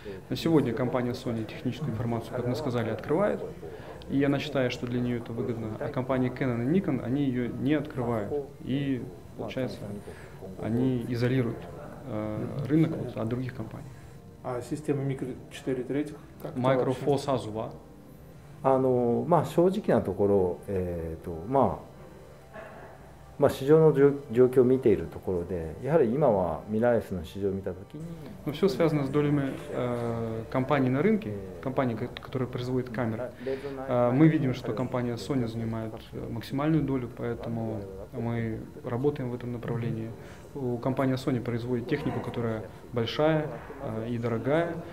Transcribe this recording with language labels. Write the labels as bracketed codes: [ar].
[ru] На сегодня компания Sony техническую информацию, как мы сказали, открывает, и она считает, что для нее это выгодно. А компания Canon и Nikon, они ее не открывают, и получается, они изолируют рынок вот, от других компаний. А система микро 4 третьих? [ja] Micro Four Thirds は? まあ、正直なところ、まあ、まあ、市場の状況を見ているところで、やはり今はミラーレスの市場を見たときに、 [ru] Но все связано с долями компании на рынке, компании, которая производит камеры. Мы видим, что компания Sony занимает максимальную долю, поэтому мы работаем в этом направлении. У компании Sony производит технику, которая большая и дорогая.